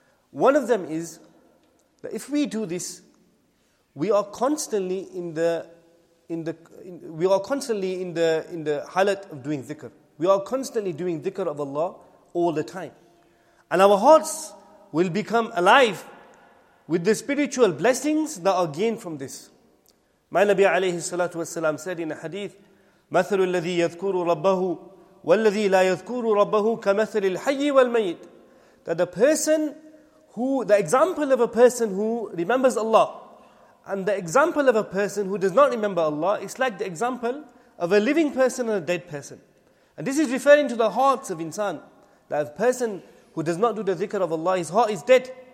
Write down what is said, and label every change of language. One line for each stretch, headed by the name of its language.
English: One of them is that if we do this, we are constantly in the halat of doing dhikr. We are constantly doing dhikr of Allah all the time. And our hearts will become alive with the spiritual blessings that are gained from this. My Nabi alayhi salatu wasalam said in a hadith,
Arabic: مَثَلُ الَّذِي يَذْكُرُ رَبَّهُ وَالَّذِي لَا يَذْكُرُ رَبَّهُ كَمَثَلِ الْحَيِّ وَالْمَيِّتِ.
English: That the example of a person who remembers Allah and the example of a person who does not remember Allah is like the example of a living person and a dead person. And this is referring to the hearts of insan. That a person who does not do the dhikr of Allah, his heart is dead.